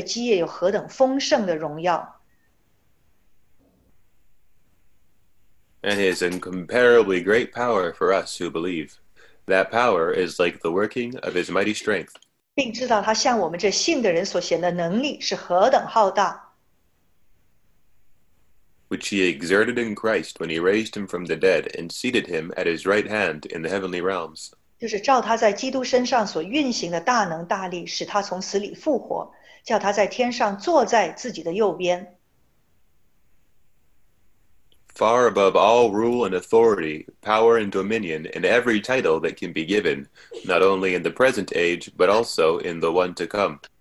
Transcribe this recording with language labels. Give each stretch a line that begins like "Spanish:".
Chinese: 并且照明你们心中的眼睛,使你们知道他的恩召有何等指望,他在圣徒中得的基业有何等丰盛的荣耀。
English: And his incomparably great power for us who believe. That power is like the working of his mighty strength.
Chinese: 并知道他向我们这信的人所显的能力是何等浩大。
English: Which he exerted in Christ when he raised him from the dead and seated him at his right hand in the heavenly realms.
Chinese: 就是照他在基督身上所运行的大能大力使他从死里复活,叫他在天上坐在自己的右边。
English: Far above all rule and authority, power and dominion, and every title that can be given, not only in the present age, but also in the one to come.